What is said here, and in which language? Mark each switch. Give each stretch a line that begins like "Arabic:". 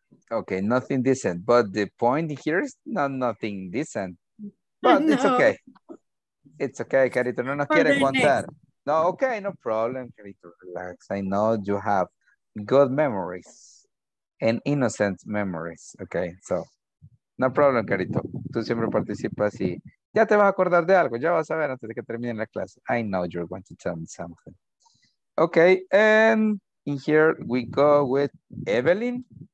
English: Okay, nothing decent. But the point here is nothing decent. But no. It's okay. It's okay, Carito.
Spanish: No nos quiere contar. No,
English: okay, no problem, Carito. Relax. I know you have good memories and innocent memories. Okay, so no problem, Carito.
Spanish: Tú siempre participas y ya te vas a acordar de algo. Ya vas a ver antes de que termine la clase.
English: I know you're going to tell me something. Okay, and in here we go with Evelyn.